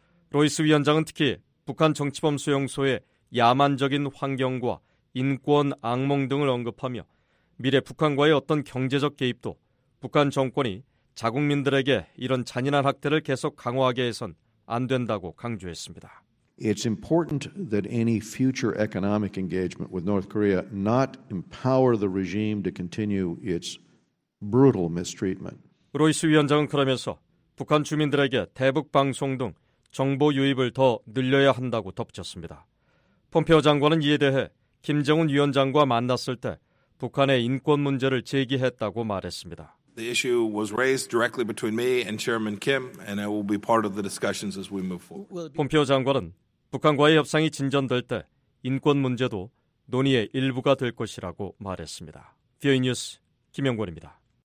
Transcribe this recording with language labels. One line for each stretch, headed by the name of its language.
Korean: 로이스 위원장은 특히 북한 정치범 수용소의 야만적인 환경과 인권 악몽 등을 언급하며 미래 북한과의 어떤 경제적 개입도 북한 정권이 자국민들에게 이런 잔인한 학대를 계속 강화하게 해선 안 된다고 강조했습니다.
English: It's important that any future economic engagement with North Korea not empower the regime to continue its brutal mistreatment.
Korean: 로이스 위원장은 그러면서 북한 주민들에게 대북 방송 등 정보 유입을 더 늘려야 한다고 덧붙였습니다. 폼페오 장관은 이에 대해 김정은 위원장과 만났을 때 북한의 인권 문제를 제기했다고 말했습니다.
English: The issue was raised directly between me and Chairman Kim, and it will be part of the discussions as we move forward.
Korean: 폼페오 장관은 북한과의 협상이 진전될 때 인권 문제도 논의의 일부가 될 것이라고 말했습니다. 비오이 뉴스 김영권입니다.